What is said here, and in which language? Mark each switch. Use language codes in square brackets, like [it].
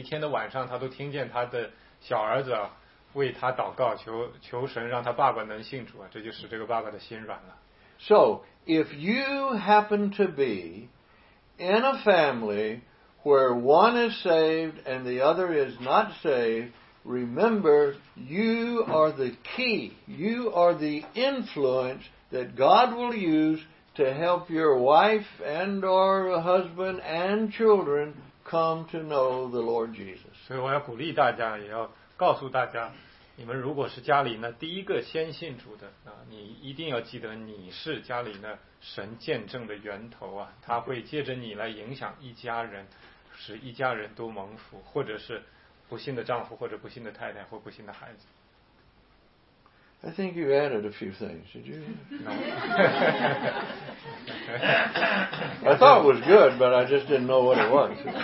[zh] 他说呢，每一天的晚上，他都听见他的小儿子 为他祷告，求神让他爸爸能信主，这就使这个爸爸的心软了。 [en] So, if you happen to be in a family where one is saved and the other is not saved, remember, you are the key. You are the influence that God will use to help your wife and or husband and children come to know the Lord Jesus. [zh] 所以我要鼓励大家，也要告诉大家， 你们如果是家里呢第一个先信主的，你一定要记得你是家里呢神见证的源头啊，他会借着你来影响一家人，使一家人都蒙福，或者是不信的丈夫或者不信的太太或不信的孩子。 [en] I think you added a few things, did you? No. I thought it was good, but I just didn't know what it was.